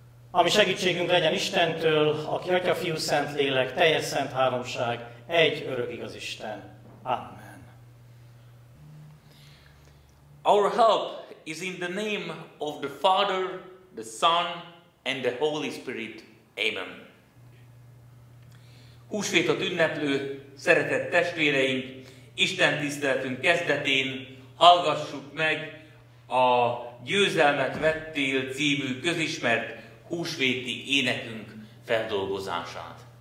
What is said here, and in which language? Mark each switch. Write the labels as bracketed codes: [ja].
[hu] Ami segítségünk legyen Istentől, aki Atya, Fiú, Szentlélek, teljes szent háromság, egy örök igaz Isten. Amen. [en] Our help is in the name of the Father, the Son and the Holy Spirit. Amen. [hu] Húsvétot ünneplő, szeretett testvéreink, Isten tiszteletünk kezdetén hallgassuk meg a Győzelmet vettél című közismert húsvéti énekünk feldolgozását.